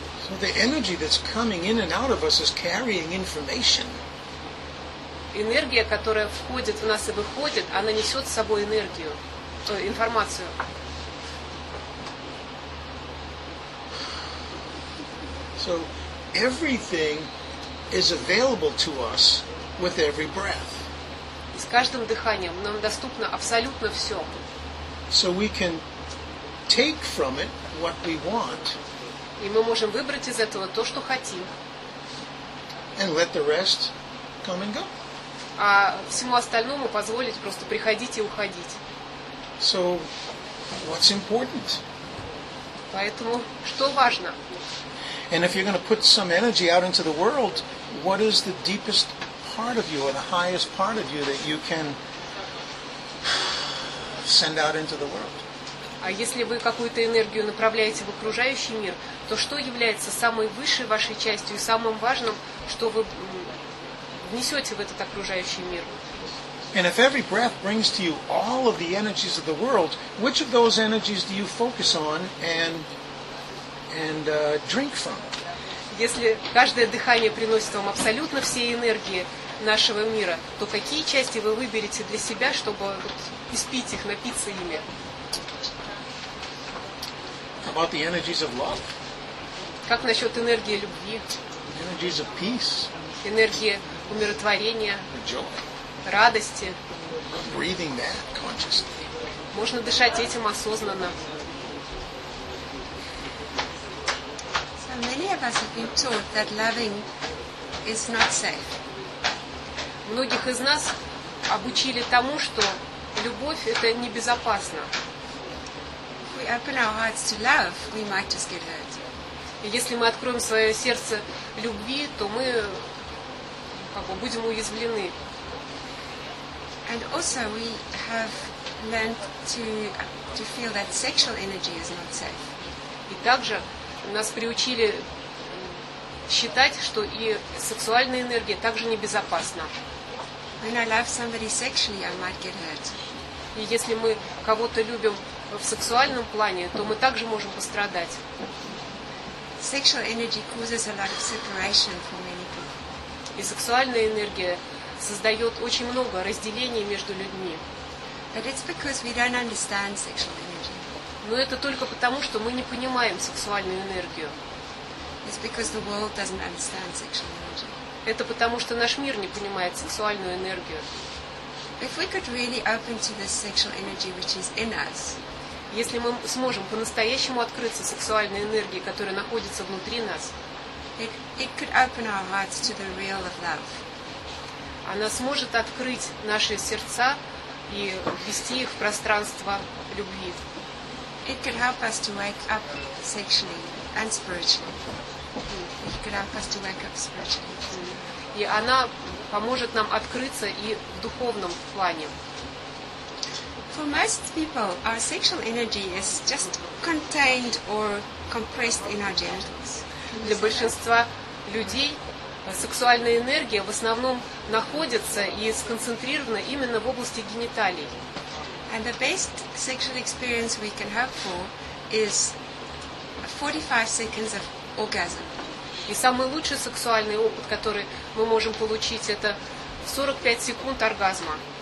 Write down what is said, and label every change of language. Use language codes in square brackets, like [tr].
[en] So the energy that's coming in and out of us is carrying information. [ru] Энергия, которая входит в нас и выходит, она несет с собой энергию, информацию. [en] So everything is available to us with every breath. [ru] С каждым дыханием нам доступно абсолютно все. [en] So we can take from it what we want. [ru] И мы можем выбрать из этого то, что хотим. [en] And let the rest come and go. [ru] А всему остальному позволить просто приходить и уходить. [en] So what's important? [ru] Поэтому что важно? [en] And if you're going to put some energy out into the world, what is the deepest part of you or the highest part of you that you can send out into the world? [ru] А если вы какую-то энергию направляете в окружающий мир, то что является самой высшей вашей частью и самым важным, что вы внесете в этот окружающий мир? [en] And if every breath brings to you all of the energies of the world, which of those energies do you focus on and drink from? [ru] Если каждое дыхание приносит вам абсолютно все энергии нашего мира, то какие части вы выберете для себя, чтобы испить их, напиться ими? [en] How about the energies of love? [ru] Как насчет энергии любви? [en] Energies of peace. [ru] Энергии умиротворения. Радости. [en] Breathing that consciously. [ru] Можно дышать этим осознанно. [en] So many of us have been taught that loving is not safe. [ru] Многих из нас обучили тому, что любовь — это небезопасно. [en] If we open our hearts to love, we might just get hurt. [ru] Если мы откроем свое сердце любви, то мы будем уязвлены. [en] And also we have learned to feel that sexual energy is not safe. [ru] И также нас приучили считать, что и сексуальная энергия также небезопасна. [en] When I love somebody sexually, I might get hurt. [ru] И если мы кого-то любим в сексуальном плане, то мы также можем пострадать. [en] Sexual energy causes a lot of separation for many people. [ru] И сексуальная энергия создает очень много разделений между людьми. [en] But it's because we don't understand sexual energy. [ru] Но это только потому, что мы не понимаем сексуальную энергию. [en] It's because the world doesn't understand sexual energy. [ru] Это потому, что наш мир не понимает сексуальную энергию. [en] If we could really open to this sexual energy which is in us. [ru] Если мы сможем по-настоящему открыться сексуальной энергии, которая находится внутри нас, [en] it could open our hearts to the real of love. [ru] Она сможет открыть наши сердца и ввести их в пространство любви. [en] It could help us to wake up sexually and spiritually. It could help us to wake up spiritually. [ru] И она поможет нам открыться и в духовном плане. [en] For most people, our sexual energy is just contained or compressed in our genitals. [ru] Для большинства людей сексуальная энергия в основном находится и сконцентрирована именно в области гениталий. [en] And the best sexual experience we can hope for is 45 seconds of orgasm. [ru] И самый лучший сексуальный опыт, который мы можем получить, это 45 секунд оргазма.